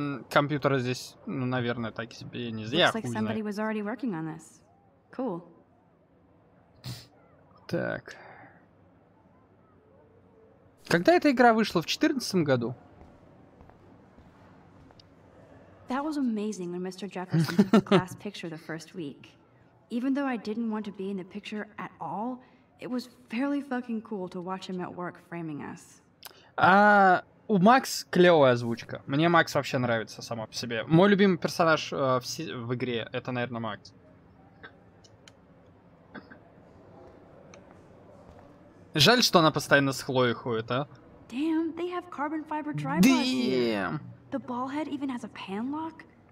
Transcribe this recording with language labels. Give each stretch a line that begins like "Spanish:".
Russian: Компьютеры здесь, ну, наверное, так себе, я не знаю.
English: Looks like somebody was already working on this. Cool.
Russian: Так. Когда эта игра вышла? В 14 году?
English: That was amazing when Mr. Jefferson took the class picture the first week. Even though I didn't want to be in the picture at all, it was fairly fucking cool to watch him at work framing us.
Russian: У Макс клевая озвучка. Мне Макс вообще нравится сама по себе. Мой любимый персонаж в игре это, наверное, Макс. Жаль, что она постоянно с Хлоей ходит, а?
English: Damn, they have carbon fiber tripod. Damn. The ball head even has a pan lock.